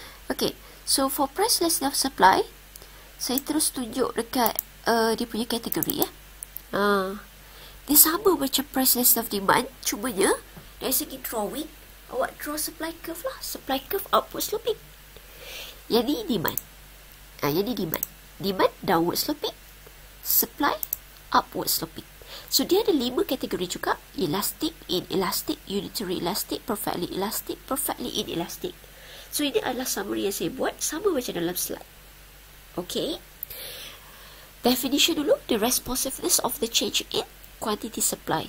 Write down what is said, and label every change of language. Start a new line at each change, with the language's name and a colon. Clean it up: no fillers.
Malay: Okay, so for price elasticity of supply, saya terus tunjuk dekat dia punya kategori. Dia sama macam price elasticity of demand. Cumanya, dari segi drawing, awak draw supply curve lah.
English: Supply curve upward sloping.
Malay: Yang ni demand. Yang ni demand.
English: Demand downward sloping. Supply upward sloping.
Malay: So, dia ada 5 kategori juga. Elastic, inelastic, unitary elastic, perfectly elastic, perfectly inelastic. So, ini adalah summary yang saya buat. Sama macam dalam slide. Okay. Definition dulu.
English: The responsiveness of the change in quantity supply.